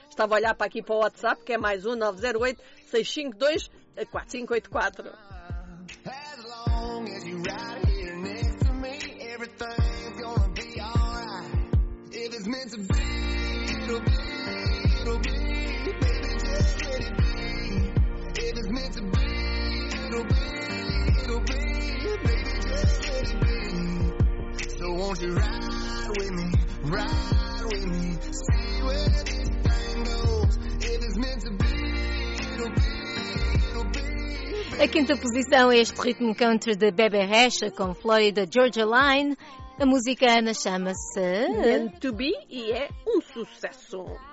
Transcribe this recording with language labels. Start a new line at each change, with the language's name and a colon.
Portuguese: Estava a olhar para aqui para o WhatsApp, que é mais 1-908-652-4584.
English: As long as you're right here next to me, everything's gonna be alright. If it's meant to be, it'll be, baby, just let it be. If it's meant to be, it'll be, baby, just let it be. So won't you ride with me, see where this thing goes. If it's meant to be, it'll be.
Portuguese: A quinta posição é este ritmo country de Bebe Rexha com Florida Georgia Line. A música, Ana, chama-se Meant to Be e é um sucesso.